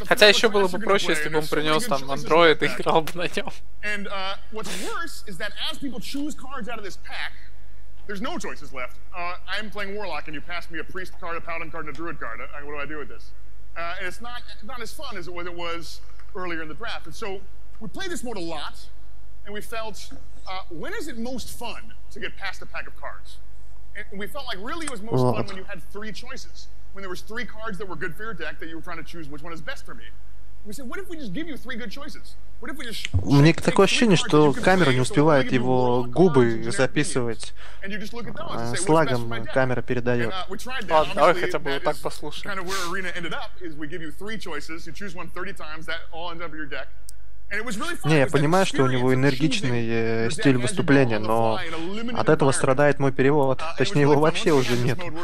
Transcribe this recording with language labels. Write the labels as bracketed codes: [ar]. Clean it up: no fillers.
[ru] Хотя еще было бы проще, если бы он принес там Android и играл бы на нем. [en] And what's worse is that as people choose cards out of this pack, there's no choices left. I'm playing Warlock and you pass me a priest card, a paladin card, and a druid card. What do I do with this? And it's not as fun as it was earlier in the draft. And so we play this mode a lot, and we felt when is it most fun to get past a pack of cards? And we felt like really it was most fun when you had three choices. When there was three cards that were good for your deck that you were trying to choose which one is best for me. We said, what if we just give you three good choices? What if we just... [ru] Мне такое ощущение, что камера не успевает его губы записывать. Слагом камера передает. Ладно, давай хотя бы вот так послушаем. [en] Kind of where Arena ended up is we give you three choices, you choose one 30 times, that all ends up your deck. [ru] Не, я понимаю, что у него энергичный стиль выступления, но от этого страдает мой перевод. Точнее, его вообще уже нет.